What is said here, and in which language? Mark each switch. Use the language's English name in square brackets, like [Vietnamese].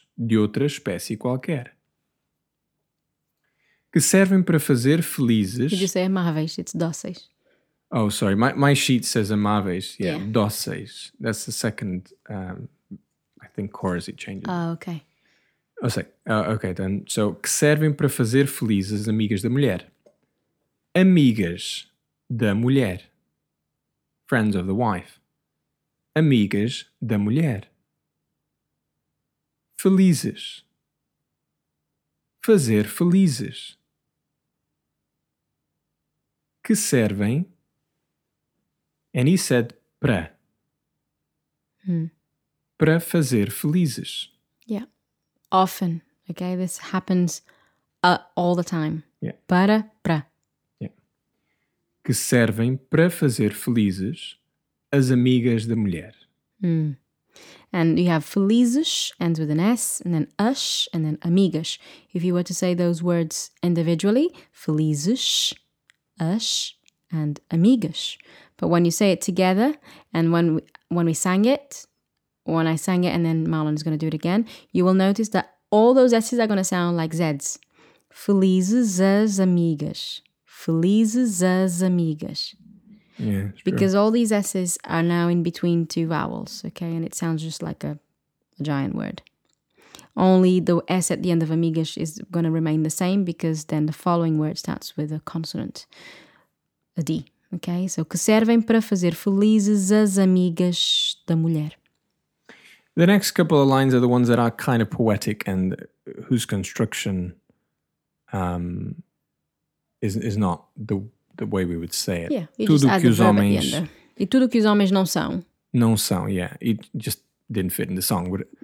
[Portuguese] De outra espécie qualquer. Que servem para fazer felizes... [English] Did you say amáveis? It's dóceis. Oh, sorry. My sheet says amáveis. Yeah. Dóceis. That's the second, I think, chorus it changes. Oh, okay. Oh, sorry. Okay, then. [Portuguese] So, que servem para fazer felizes amigas da mulher. Amigas da mulher. [English] Friends of the wife. [Portuguese] Amigas da mulher. Felizes. Fazer felizes. Que servem. [English] And he said para. [Portuguese] Para fazer felizes. [English] Yeah. Often. Okay. This happens all the time. Yeah. [Portuguese] Para. [English] Yeah. [Portuguese] Que servem para fazer felizes as amigas da mulher. [English] And you have felizes, ends with an S, and then ush, and then amigas. If you were to say those words individually, felizes, ush, and amigas. But when you say it together, and when I sang it, and then Marlon is going to do it again, you will notice that all those S's are going to sound like Z's. [Portuguese] Felizes as amigas. Felizes as amigas. [English] Yeah, because true. All these S's are now in between two vowels, okay? And it sounds just like a giant word. Only the S at the end of amigas is going to remain the same because then the following word starts with a consonant, a D, okay? [Portuguese] So, que servem para fazer felizes as amigas da mulher. [English] The next couple of lines are the ones that are kind of poetic and whose construction is not the way we would say it. Yeah, you tudo just add the verb at the end. [Portuguese] E tudo que os homens não são. Não são, [English] yeah. It just didn't fit in the song. But